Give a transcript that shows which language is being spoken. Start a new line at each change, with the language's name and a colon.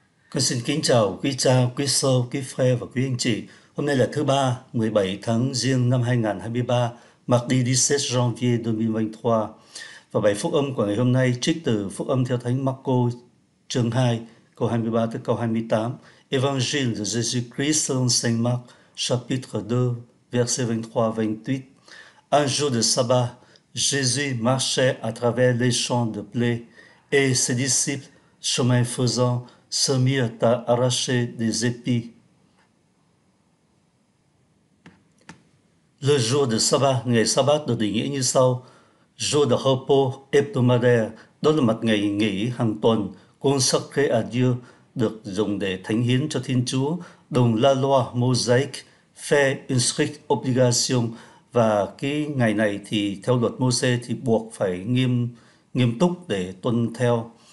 Vietnamese: Con xin kính chào quý cha, quý sơ, quý phê và quý anh chị. Hôm nay là thứ ba, 17 tháng giêng năm 2023,
French: Mardi 17 janvier 2023.
Vietnamese: Và bài phúc âm của ngày hôm nay trích từ phúc âm theo Thánh Marco chương 2, câu 23 tới câu 28.
French: Évangile de Jésus-Christ selon Saint Marc, chapitre 2, verset 23-28. Un jour de sabbat, Jésus marchait à travers les champs de blé et ses disciples, chemin faisant, se mirent à arracher des épis. Le jour de sabbat,
Vietnamese: ngày sabbat được định nghĩa như sau:
French: jour de repos hebdomadaire,
Vietnamese: đó là một ngày nghỉ hàng tuần,
French: consacré à Dieu,
Vietnamese: được dùng để thánh hiến cho Thiên Chúa, đồng
French: la loi mosaïque, fait une stricte obligation,
Vietnamese: và cái ngày này thì theo luật Mô-sê thì buộc phải nghiêm nghiêm túc để tuân theo.